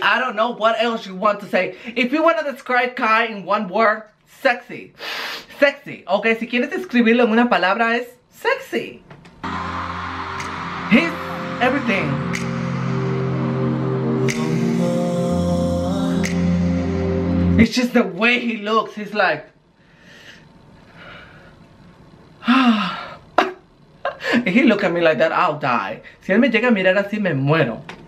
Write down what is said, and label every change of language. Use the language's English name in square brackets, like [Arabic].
[English] I don't know what else you want to say. If you want to describe Kai in one word, sexy. Sexy. [Spanish] Okay, si quieres describirlo en una palabra, es sexy. [English] He's everything. It's just the way he looks. He's like... If he look at me like that, I'll die. [Spanish] Si él me llega a mirar así, me muero.